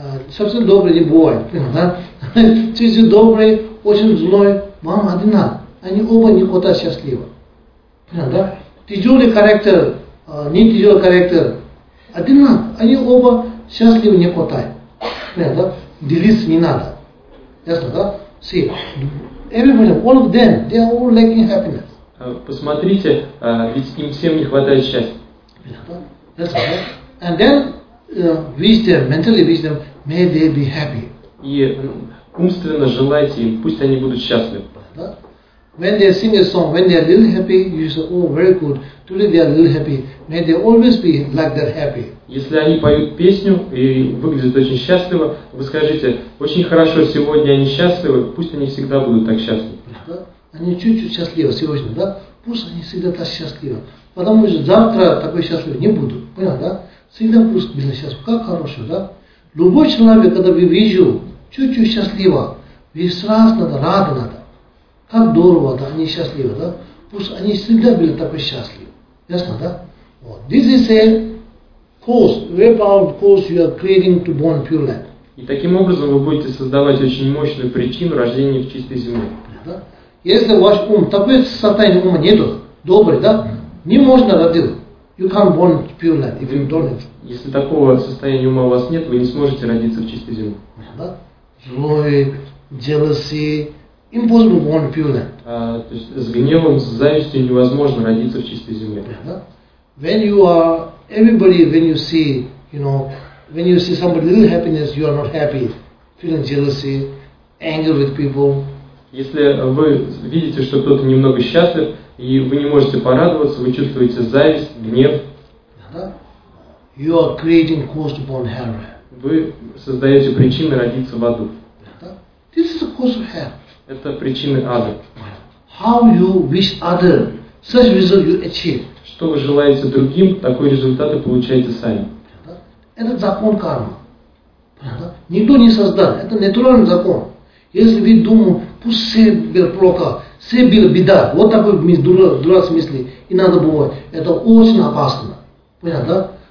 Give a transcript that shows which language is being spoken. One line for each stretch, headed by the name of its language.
Russian: Совсем добрый не бывает, понятно, да? Чуть-чуть добрый, очень злой, вам одна. Они оба не хватает счастлива. Понятно, да? Тяжелый характер, не тяжелый характер, одна. Они оба счастливы не хватает. Понятно, да? Делиться не надо. Ясно, да?
English: See, everybody, all of them, they are all lacking happiness.
Russian: Посмотрите, ведь им всем не хватает счастья. Ясно, да?
English: And then, wish them, mentally wish them, may they be happy.
Russian: И умственно желайте им, пусть они будут счастливы. Да?
English: When they sing a song, when they are little happy, you say, oh, very good, today they are little happy, may they always be like that happy.
Russian: Если они поют песню и выглядят очень счастливо, вы скажите, очень хорошо, сегодня они счастливы, пусть они всегда будут так счастливы. Они чуть-чуть счастливы сегодня, да? Пусть они всегда так счастливы. Потому что завтра такой счастливый не буду. Понятно, да? Всегда пусть будет счастливы. Как хорошо, да? Любой человек, когда вы вижу, чуть-чуть счастливо, вы сразу надо, рады надо. Как здорово, да, они счастливы, да? Пусть они всегда были такой счастливы. Ясно, да? Вот.
English: This is a course, very powerful course you are creating to born pure land.
Russian: И таким образом вы будете создавать очень мощную причину рождения в чистой земле. Да? Если ваш ум, такой состояние ума нету, добрый, да? Не можно родить.
English: You can't born pure land if you don't have.
Russian: Если такого состояния ума у вас нет, вы не сможете родиться в чистой земле. Да? Злой,
English: jealousy, impossible born pure land.
Russian: То есть с гневом, с завистью невозможно родиться в чистой земле. Да?
English: When you are, everybody, when you see, you know, when you see somebody little happiness, you are not happy. Feeling jealousy, anger with people.
Russian: Если вы видите, что кто-то немного счастлив, и вы не можете порадоваться, вы чувствуете зависть, гнев.
English: You are creating cause to born hell.
Russian: Вы создаете причины родиться в аду.
English: This is the cause of hell.
Russian: Это причины ада.
English: How you wish other, such result you achieve.
Russian: Что вы желаете другим, такой результат и получаете сами. Это закон кармы. Никто не создал. Это натуральный закон. Если вы думаете, пусть все было плохо, все было беда. Вот такой дурацкий мысли. И надо бывает. Это очень опасно. Понятно, да?